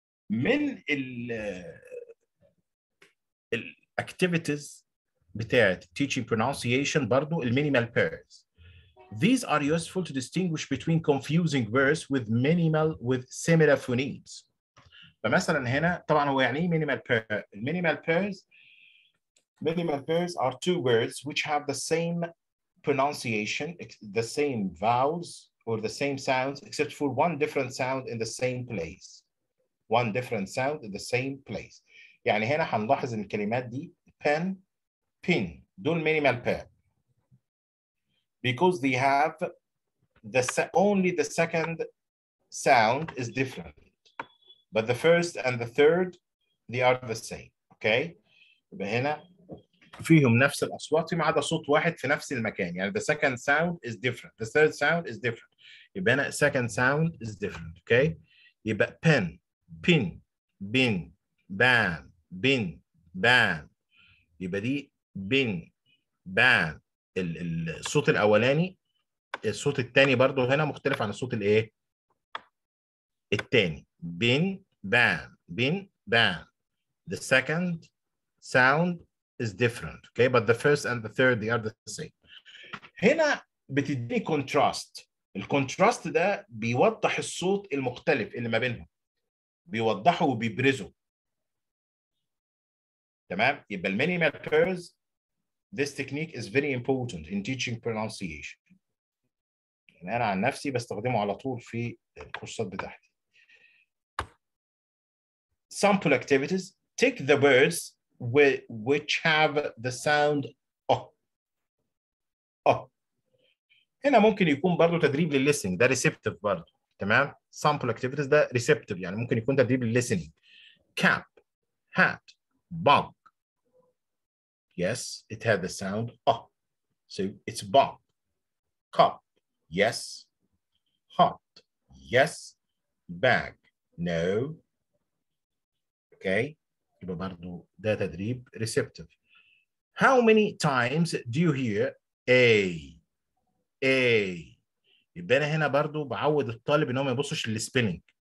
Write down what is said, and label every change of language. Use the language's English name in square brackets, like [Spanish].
[Arabic] من ال [English] activities [Arabic] بتاعت [English] teaching pronunciation [Arabic] برضو [English] minimal pairs. These are useful to distinguish between confusing words with similar phonemes. [Arabic] فمثلا هنا طبعا هو يعني minimal pair. [English] Minimal pairs Minimal pairs are two words which have the same pronunciation, the same vowels, or the same sounds, except for one different sound in the same place. One different sound in the same place. [Arabic] يعني هنا هنلاحظ ان الكلمات دي pen, pin, دول minimal pair. [English] Because they have only the second sound is different. But the first and the third, they are the same. Okay? [Arabic] هنا فيهم نفس الأصوات ما عدا صوت واحد في نفس المكان يعني [English] the second sound is different [Arabic] the third sound is different يبقى أنا [English] second sound is different okay [Arabic] يبقى [English] pen pin bin ban bin ban [Arabic] يبقى دي bin ban الصوت الأولاني الصوت الثاني برضو هنا مختلف عن الصوت الإيه الثاني [English] bin ban the second sound is different, okay? But the first and the third, they are the same. [Arabic] هنا بتديني contrast. الكونتراست ده بيوضح الصوت المختلف اللي ما بينهم. بيوضحه وبيبرزه. تمام؟ يبقى المينيمال pairs [English] This technique is very important in teaching pronunciation. [Arabic] يعني أنا عن نفسي بستخدمه على طول في الكورسات بتاعتي. [English] Sample activities. Take the words which have the sound o. O. [Arabic] هنا ممكن يكون برضو تدريب للليسنينج ده ريسبتيف برضو تمام. [English] Sample activities [Arabic] ده ريسبتيف يعني ممكن يكون تدريب للليسنينج. [English] Cap, hat, bug. Yes, it had the sound o. So it's bug. Cup, yes. Hot, yes. Bag, no. Okay. [Arabic] يبقى برضو ده تدريب receptive. [English] How many times do you hear A? A. [Arabic] يبقى أنا هنا برضو بعود الطالب إنه ما يبصش للسبيلنج.